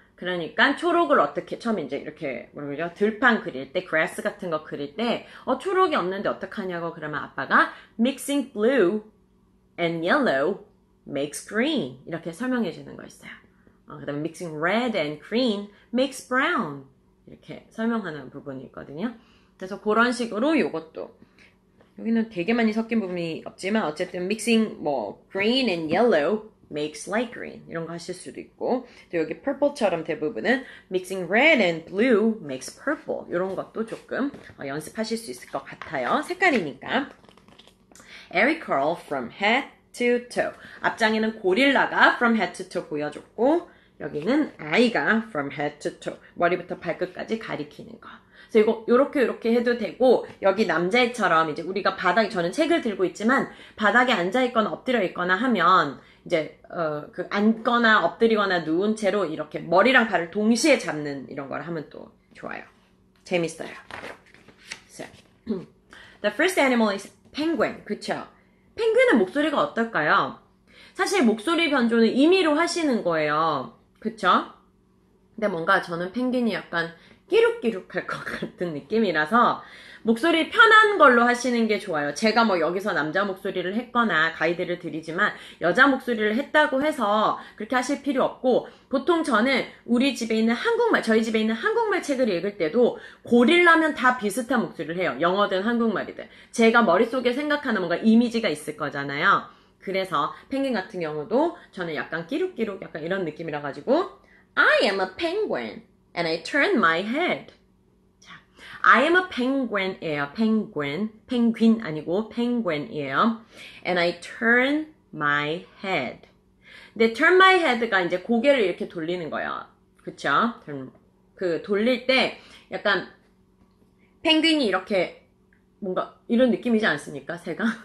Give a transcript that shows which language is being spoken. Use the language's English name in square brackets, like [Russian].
[Korean] 그러니까 초록을 어떻게, 처음 이제 이렇게, 뭐라 그러죠? 들판 그릴 때, 그래스 같은 거 그릴 때, 초록이 없는데 어떡하냐고 그러면 아빠가, [English] mixing blue, And yellow makes green. [Korean] 이렇게 설명해 주는 거 있어요. 그다음에 [English] mixing red and green makes brown. [Korean] 이렇게 설명하는 부분이 있거든요. 그래서 그런 식으로 이것도 여기는 되게 많이 섞인 부분이 없지만 어쨌든 mixing 뭐 [English] green and yellow makes light green [Korean] 이런 거 하실 수도 있고 또 여기 purple처럼 대부분은 [English] mixing red and blue makes purple [Korean] 이런 것도 조금 연습하실 수 있을 것 같아요. 색깔이니까. [English] Eric Carle from head to toe. [Korean] 앞장에는 고릴라가 [English] from head to toe [Korean] 보여줬고, 여기는 아이가 [English] from head to toe, [Korean] 머리부터 발끝까지 가리키는 거. 그래서 이거 요렇게 요렇게 해도 되고, 여기 남자애처럼 이제 우리가 바닥에, 저는 책을 들고 있지만 바닥에 앉아있거나 엎드려있거나 하면 이제 그 앉거나 엎드리거나 누운 채로 이렇게 머리랑 발을 동시에 잡는 이런 걸 하면 또 좋아요. 재밌어요. [English] So, the first animal is penguin. [Korean] 그쵸? 펭귄의 목소리가 어떨까요? 사실 목소리 변조는 임의로 하시는 거예요. 그쵸? 근데 뭔가 저는 펭귄이 약간 끼룩끼룩할 것 같은 느낌이라서 목소리 편한 걸로 하시는 게 좋아요. 제가 뭐 여기서 남자 목소리를 했거나 가이드를 드리지만 여자 목소리를 했다고 해서 그렇게 하실 필요 없고, 보통 저는 우리 집에 있는 한국말, 저희 집에 있는 한국말 책을 읽을 때도 고릴라면 다 비슷한 목소리를 해요. 영어든 한국말이든. 제가 머릿속에 생각하는 뭔가 이미지가 있을 거잖아요. 그래서 펭귄 같은 경우도 저는 약간 끼룩끼룩 약간 이런 느낌이라 가지고 [English] I am a penguin and I turn my head. [Korean] 자, [English] I am a penguin이에요. penguin. [Korean] 펭귄 아니고 penguin이에요. [English] And I turn my head. [Korean] 근데 [English] turn my head [Korean] 가 이제 고개를 이렇게 돌리는 거예요. 그쵸? 그 돌릴 때 약간 펭귄이 이렇게 뭔가 이런 느낌이지 않습니까? 새가?